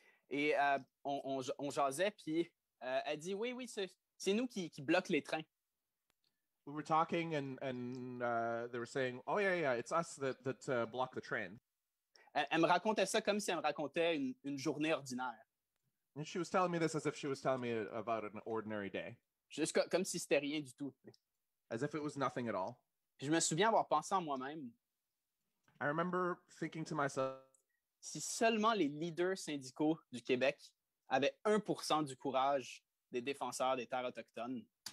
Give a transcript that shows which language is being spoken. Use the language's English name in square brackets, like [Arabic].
[French] Et on jasait, puis elle dit, oui, c'est nous qui bloque les trains. [English] We were talking and they were saying, oh yeah, it's us that block the train. [French] Elle me racontait ça comme si elle me racontait une journée ordinaire. [English] And she was telling me this as if she was telling me about an ordinary day. [French] Juste comme si c'était rien du tout. [English] As if it was nothing at all. [French] Je me souviens avoir pensé en moi-même. [English] I remember thinking to myself, [French] si seulement les leaders syndicaux du Québec avaient 1% du courage des défenseurs des terres autochtones.